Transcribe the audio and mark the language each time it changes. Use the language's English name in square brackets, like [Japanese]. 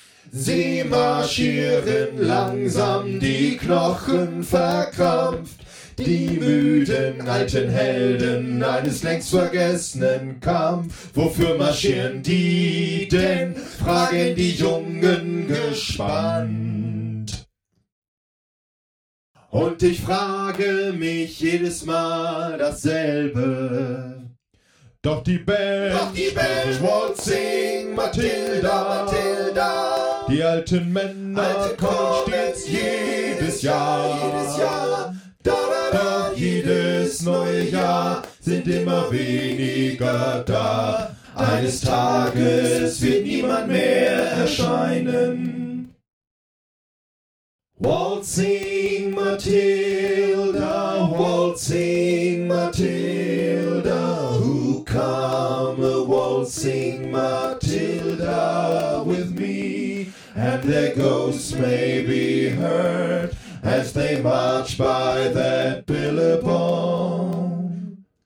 [German] Sie marschieren langsam, die Knochen verkrampft, die müden alten Helden eines längst vergessenen Kampf. Wofür marschieren die denn, fragen die Jungen gespannt. Und ich frage mich jedes Mal dasselbe. Doch die Band, [English] won't sing Mathilda, Mathilda. [German] Die alten Männer kommen stets jedes Jahr, jedes Jahr. Da, jedes neue Jahr sind immer weniger da. Eines Tages wird niemand mehr erscheinen. [English] Waltzing Matilda, waltzing Matilda, who come a waltzing Matilda with me? And their ghosts may be heard as they march by that billabong.